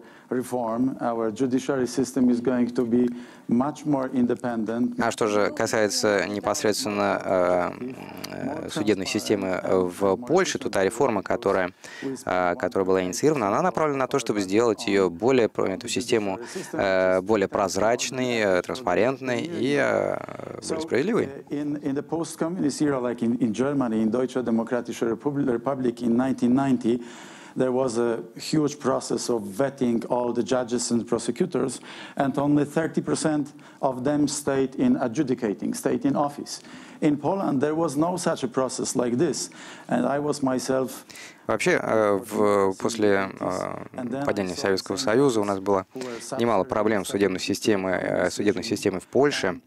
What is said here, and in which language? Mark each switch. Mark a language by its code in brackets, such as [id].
[ru] А что же касается непосредственно судебной системы в Польше, то та реформа, которая была инициирована, она направлена на то, чтобы сделать ее более, эту систему более прозрачной, транспарентной и более справедливой. [en] In the post-communist era, like in Germany, in Deutsche Demokratische Republik in 1990, there was a huge process of vetting all the judges and prosecutors, and only 30% of them stayed in adjudicating, stayed in office. In Poland there was no such a process like this, and I was myself. [ru] Вообще, после падения Советского Союза у нас было немало проблем с судебной системой в Польше.